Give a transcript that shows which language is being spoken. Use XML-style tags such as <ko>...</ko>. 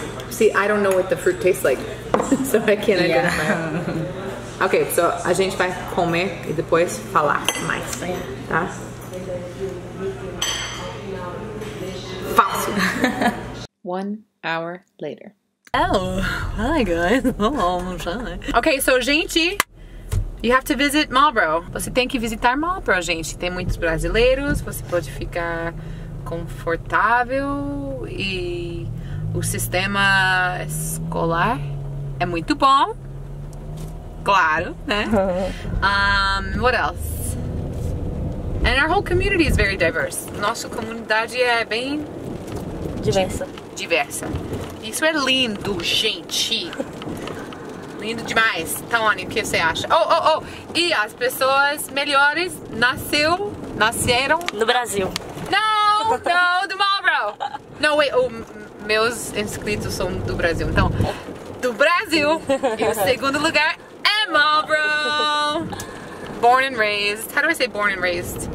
<en>See, I don't know what the fruit tastes like, so I can't identify. Yeah. Okay, so</en> <pt>a gente vai comer e depois falar mais, tá? Fácil.</pt> <en>1 hour later. Oh, hi guys. Oh, almost hi. Okay, so gente, you have to visit Marlboro.</en> <pt>Você tem que visitar Marlboro, gente. Tem muitos brasileiros. Você pode ficar confortável e o sistema escolar é muito bom, claro, né?</pt> <en>What else? And our whole community is very diverse.</en> <pt>Nossa comunidade é bem... Diversa. Diversa. Isso é lindo, gente! Lindo demais! Tony, o que você acha? Oh, oh, oh! E as pessoas melhores nasceram... No Brasil. Não, do Marlboro! Não, wait, meus inscritos são do Brasil, então, do Brasil, e o segundo lugar é Marlboro!</pt> <en>Born and raised, how do I say born and raised?</en>